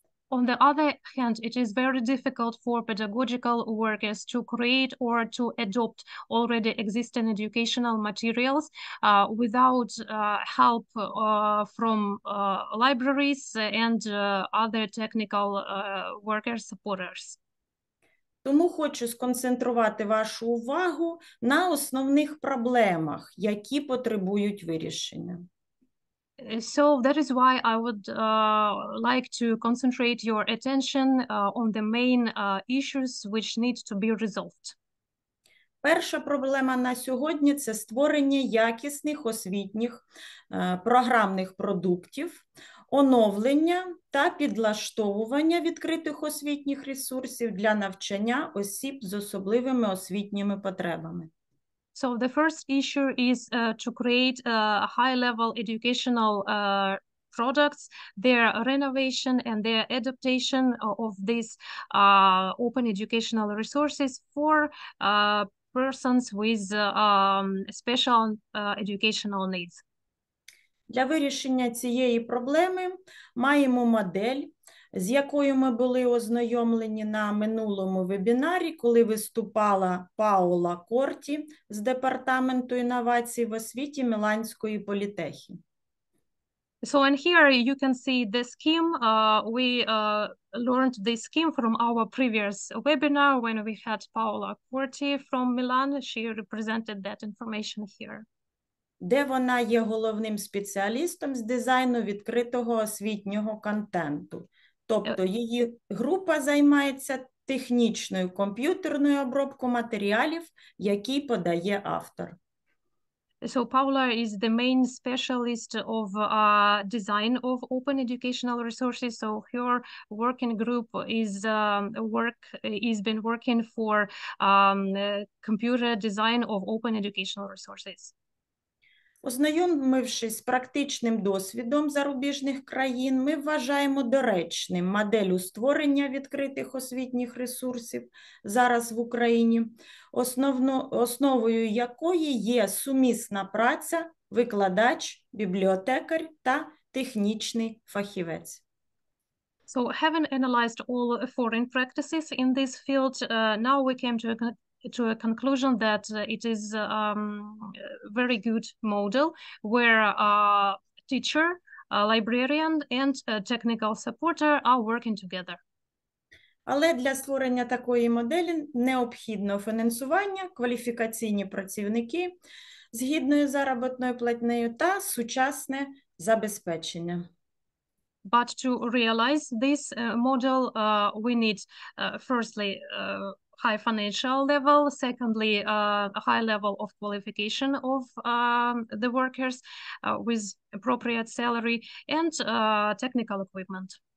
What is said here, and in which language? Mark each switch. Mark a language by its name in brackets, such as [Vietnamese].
[English] On the other hand, it is very difficult for pedagogical workers to create or to adopt already existing educational materials without help from libraries and other technical workers supporters. [Ukrainian] Тому хочу сконцентрувати вашу увагу на основних проблемах, які потребують вирішення. [English] So that is why I would like to concentrate your attention on the main issues which need to be resolved. [Ukrainian] Перша проблема на сьогодні – це створення якісних освітніх програмних продуктів, оновлення та підлаштовування відкритих освітніх ресурсів для навчання осіб з особливими освітніми потребами. [English] So the first issue is to create high-level educational products, their renovation and their adaptation of these open educational resources for persons with special educational needs. [Ukrainian] Для вирішення цієї проблеми маємо модель, з якою ми були ознайомлені на минулому вебінарі, коли виступала Паула Корті з Департаменту інновацій в освіті Міланської політехи. [English] So in here you can see the scheme. We learned this scheme from our previous webinar when we had Paula Corti from Milan. She represented that information here. [Ukrainian] Де вона є головним спеціалістом з дизайну відкритого освітнього контенту. Тобто її група займається технічною комп'ютерною обробкою матеріалів, які подає автор. [English] So Paula is the main specialist of design of open educational resources. So her working group is been working for computer design of open educational resources. [Ukrainian] Ознайомившись з практичним досвідом зарубіжних країн, ми вважаємо доречним модель створення відкритих освітніх ресурсів зараз в Україні, основою якої є сумісна праця викладач, бібліотекар та технічний фахівець. [English] So having analyzed all foreign practices in this field, now we came to a conclusion that it is a very good model where a teacher, a librarian, and a technical supporter are working together. [Ukrainian] Але для створення такої моделі необхідно фінансування, кваліфікаційні працівники з гідною заробітною платнею та сучасне забезпечення. [English] But to realize this model, we need firstly high financial level, secondly a high level of qualification of the workers with appropriate salary and technical equipment.